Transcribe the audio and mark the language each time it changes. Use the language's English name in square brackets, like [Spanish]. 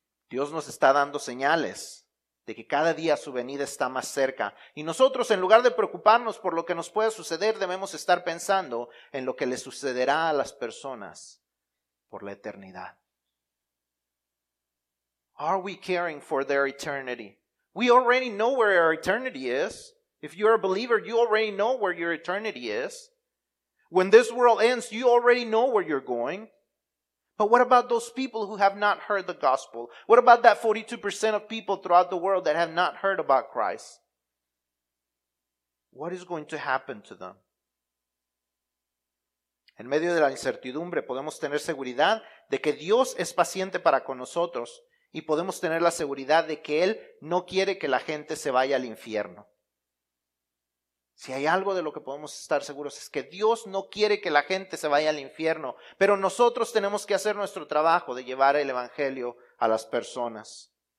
[Spanish] Dios nos está dando señales de que cada día su venida está más cerca. Y nosotros, en lugar de preocuparnos por lo que nos pueda suceder, debemos estar pensando en lo que le sucederá a las personas por la eternidad. [English] Are we caring for their eternity? We already know where our eternity is. If you are a believer, you already know where your eternity is. When this world ends, you already know where you're going. But what about those people who have not heard the gospel? What about that 42% of people throughout the world that have not heard about Christ? What is going to happen to them? [Spanish] En medio de la incertidumbre, podemos tener seguridad de que Dios es paciente para con nosotros y podemos tener la seguridad de que Él no quiere que la gente se vaya al infierno. Si hay algo de lo que podemos estar seguros es que Dios no quiere que la gente se vaya al infierno, pero nosotros tenemos que hacer nuestro trabajo de llevar el evangelio a las personas.